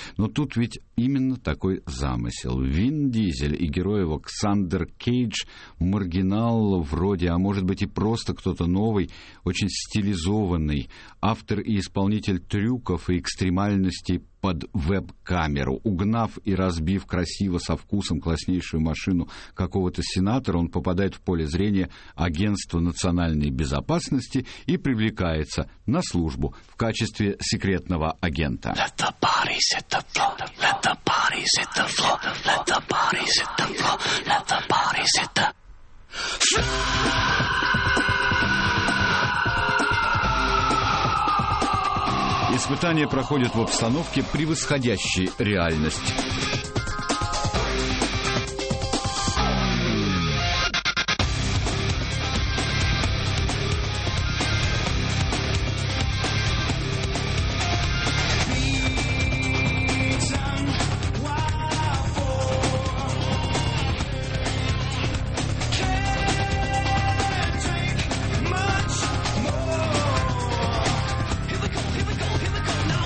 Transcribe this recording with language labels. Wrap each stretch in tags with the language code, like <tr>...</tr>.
<ru>Но тут ведь именно такой замысел. Вин Дизель и герой его Ксандер Кейдж, маргинал вроде, а может быть и просто кто-то новый, очень стилизованный, автор и исполнитель трюков и экстремальностей под веб-камеру. Угнав и разбив красиво, со вкусом, класснейшую машину какого-то сенатора, он попадает в поле зрения Агентства национальной безопасности и привлекается на службу в качестве секретного агента.</ru> <en>Let the bodies hit the floor. Let the bodies hit the floor. Let the bodies hit the floor. Let the bodies hit the</en> <ru>Испытание проходит в обстановке, превосходящей реальность.</ru> <en>Here we go.</en>